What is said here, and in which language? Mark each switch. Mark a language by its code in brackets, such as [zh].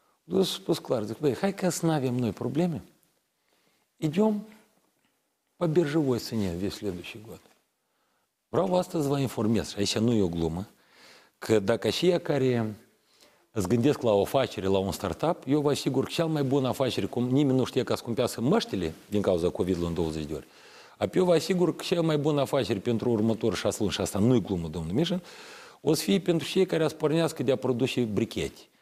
[ro] Dus spus clar, zic, băi, hai că să nu avem noi probleme. [ru] Идем по биржевой цене весь следующий год. [ro] Vreau astăzi vă informez, și aici nu e o glumă, că dacă și ea care îți gândesc la o afacere, la un startup, eu vă asigur că cel mai bun afacere, cum nimeni nu știe că scumpească măștile din cauza COVID-ului în 20 de ori, apoi eu vă asigur că cel mai bun afacere pentru următorul 6 luni, și asta nu e glumă, domnul Mișan, o să fie pentru cei care să pornească de a produce bricheti.